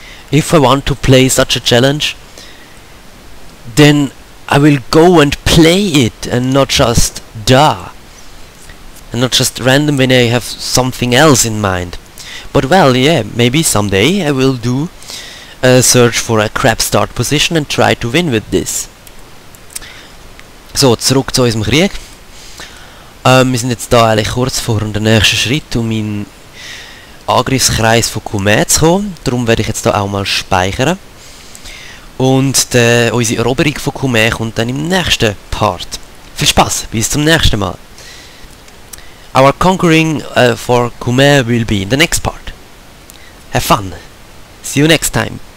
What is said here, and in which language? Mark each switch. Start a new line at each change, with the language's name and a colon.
English: If I want to play such a challenge, then I will go and play it, and not just da. And not just random when I have something else in mind. But well, yeah, maybe someday I will do a search for a crap start position and try to win with this.
German: So, zurück zu unserem Krieg. Wir sind jetzt da eigentlich kurz vor dem nächsten Schritt, um in Angriffskreis von Cumae zu kommen. Darum werde ich jetzt da auch mal speichern. Und unsere Eroberung von Cumae kommt dann im nächsten Part. Viel Spaß, bis zum nächsten Mal.
English: Our conquering for Cumae will be in the next part. Have fun. See you next time.